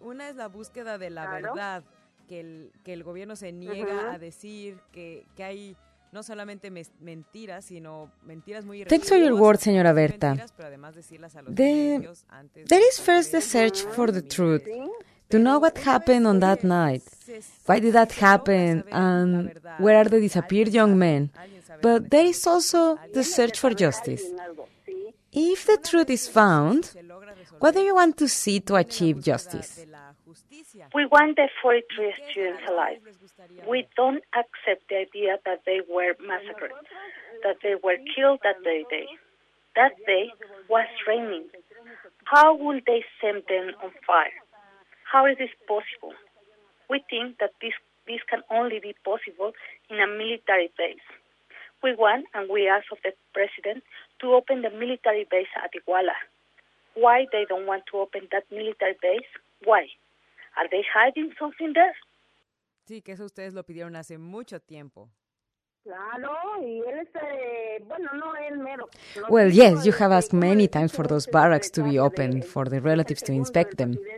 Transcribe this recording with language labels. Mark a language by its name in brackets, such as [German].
[Spanish] Una es la búsqueda de la verdad, que el gobierno se niega a decir que hay no solamente mentiras, sino mentiras muy irresistibles. [English] Thanks for your word, señora Berta. There is first the search for the truth, to know what happened on that night. Why did that happen? And where are the disappeared young men? But there is also the search for justice. If the truth is found, what do you want to see to achieve justice? We want the 43 students alive. We don't accept the idea that they were massacred, that they were killed that day. That day was raining. How would they send them on fire? How is this possible? We think that this can only be possible in a military base. We want, and we ask of the president, to open the military base at Iguala. Why they don't want to open that military base? Why? Are they hiding something there? [Spanish] Sí, que eso ustedes lo pidieron hace mucho tiempo. Claro, y él es, no él mero. [English] Well, yes, you have asked many times for those barracks to be opened, for the relatives to inspect them.